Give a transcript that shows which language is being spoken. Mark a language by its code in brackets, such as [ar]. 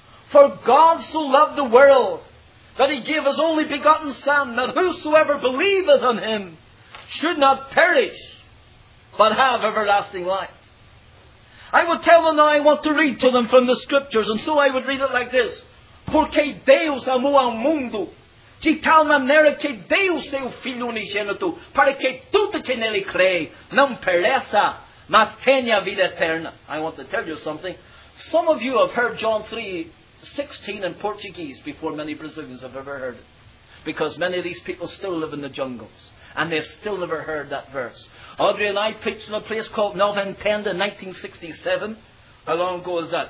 [en] For God so loved the world that he gave his only begotten Son, that whosoever believeth on him should not perish, but have everlasting life. I would tell them that I want to read to them from the scriptures, and so I would read it like this. [pt] Porque Deus amou ao mundo. De tal maneira que deu seu Filho unigênito, para que tudo que nele crê, não pereça, mas tenha vida eterna. [en] I want to tell you something. Some of you have heard John 3:16 in Portuguese before many Brazilians have ever heard it. Because many of these people still live in the jungles. And they've still never heard that verse. Audrey and I preached in a place called Nova Entenda in 1967. How long ago is that?